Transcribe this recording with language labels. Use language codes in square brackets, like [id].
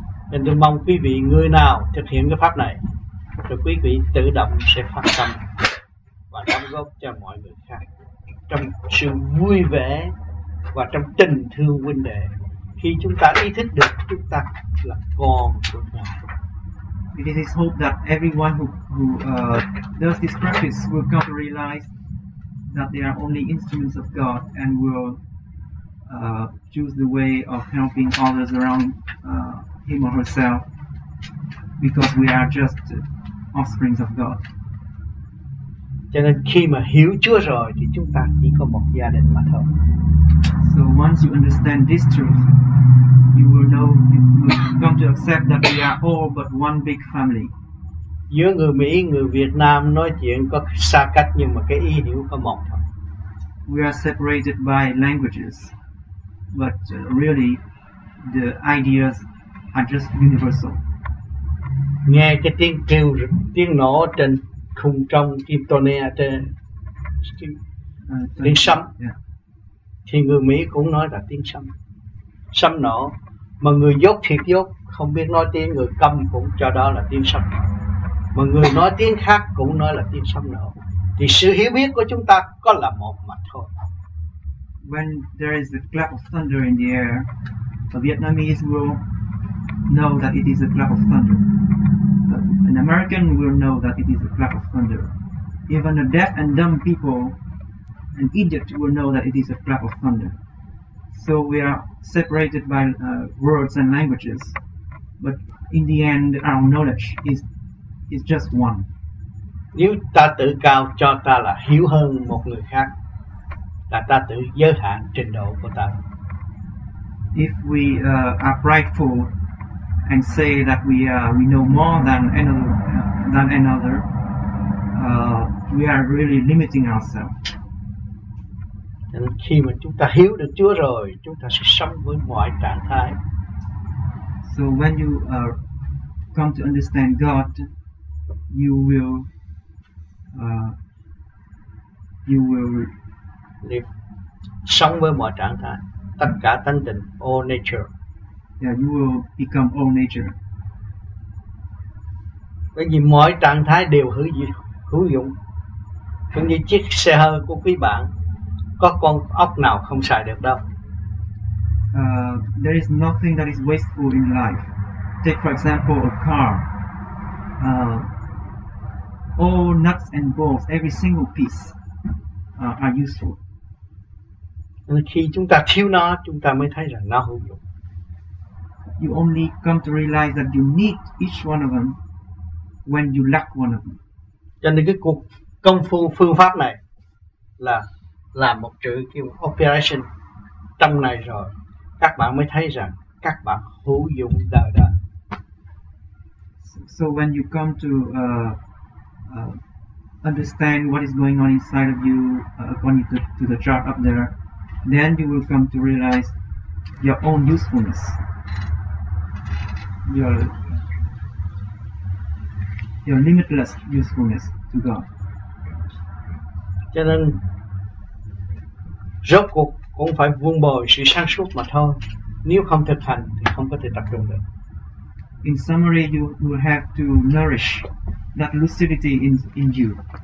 [vi] Nên tôi mong quý vị người nào thực hiện cái pháp này, rồi quý vị tự động sẽ phát tâm và đóng góp cho mọi người khác trong sự vui vẻ và trong tình thương huynh đệ. Khi chúng ta ý thức được chúng ta là con của Ngài. [en] It is his hope that everyone who does this practice will come to realize that they are only instruments of God and will choose the way of helping others around him or herself because we are just offsprings of God. [vi] Cho nên khi mà hiểu Chúa rồi thì chúng ta chỉ có một gia đình mà thôi. [en] So once you understand this truth, you will know, you will come to accept that we are all but one big family. [vi] Giữa người Mỹ, người Việt Nam nói chuyện có xa cách nhưng mà cái ý hiểu có một thôi. [en] We are separated by languages. But really, the ideas are just universal. [vi] Nghe cái tiếng kêu, tiếng nổ trên khung trong kim tone trên tiếng sấm, thì người Mỹ cũng nói là tiếng sấm, sấm nổ. Mà người dốt thiệt dốt, không biết nói tiếng người câm cũng cho đó là tiếng sấm. mà người nói tiếng khác cũng nói là tiếng sấm nổ, thì sự hiểu biết của chúng ta có là một mặt thôi. [en] When there is a clap of thunder in the air, a Vietnamese will know that it is a clap of thunder. An American will know that it is a clap of thunder. Even a deaf and dumb people, an idiot will know that it is a clap of thunder. So we are separated by words and languages, but in the end, our knowledge is just one. [vi] Nếu ta tự cao cho ta là hiểu hơn một người khác, là ta tự giới hạn trình độ của ta. [en] If we are prideful and say that we know more than another, we are really limiting ourselves. [vi] Nên khi mà chúng ta hiểu được Chúa rồi, chúng ta sẽ sống với mọi trạng thái. [en] So when you come to understand God, you will [vi] live, sống với mọi trạng thái, tất cả tánh tình, [en] all nature. Yeah, you will become all nature. [vi] Bởi vì mọi trạng thái đều hữu dụng. Cũng như chiếc xe hơi của quý bạn, có con ốc nào không xài được đâu. [en] There is nothing that is wasteful in life. Take for example a car. All nuts and bolts, every single piece are useful. [vi] Khi chúng ta thiếu nó, chúng ta mới thấy rằng nó hữu dụng. [en] You only come to realize that you need each one of them when you lack one of them. [vi] Cho nên cái cuộc công phu phương pháp này là làm một chữ kêu operation trong này rồi, các bạn mới thấy rằng các bạn hữu dụng đời đời. [en] So when you come to understand what is going on inside of you according to the chart up there, then you will come to realize your own usefulness. Your limitless usefulness to God. [vi] Cho nên rốt cuộc cũng phải vun bồi sự sáng suốt mà thôi. Nếu không thực hành thì không có thể tập trung được. [en] In summary, you will have to nourish that lucidity in you.